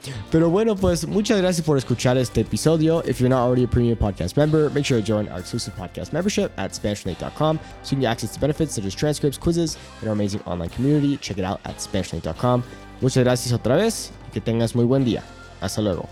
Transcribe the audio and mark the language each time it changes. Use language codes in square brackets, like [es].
[es] pero bueno, pues muchas gracias por escuchar este episodio. [en] If you're not already a premium podcast member, make sure to join our exclusive podcast membership at SpanishNate.com so you can get access to benefits such as transcripts, quizzes, and our amazing online community. Check it out at SpanishNate.com. [es] Muchas gracias otra vez y que tengas muy buen día. Hasta luego.